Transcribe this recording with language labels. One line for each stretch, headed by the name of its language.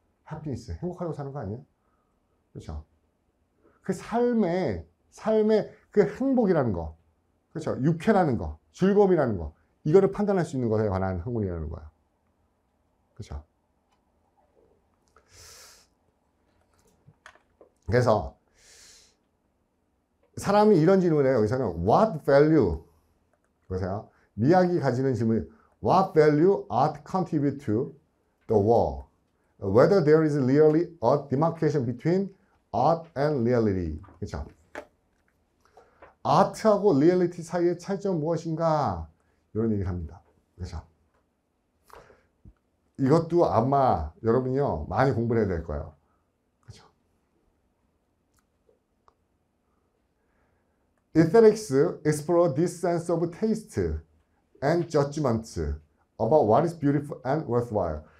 Korean: 해피니스, 행복하려고 사는 거 아니에요? 그렇죠? 그 삶의 그 행복이라는 거, 그렇죠? 유쾌라는 거, 즐거움이라는 거, 이거를 판단할 수 있는 것에 관한 학문이라는 거야. 그렇죠? 그래서 사람이 이런 질문을 해요. 여기서는
English: What value?
Korean: 보세요. 미학이 가지는 질문이
English: What value art contribute to the world? Whether there is really a demarcation between art and reality.
Korean: 그렇죠? Art하고 reality 사이의 차이점 무엇인가? 이런 얘기를 합니다. 그렇죠? 이것도 아마 여러분이요 많이 공부를 해야 될 거예요.
English: Aesthetics explore this sense of taste and judgment about what is beautiful and worthwhile.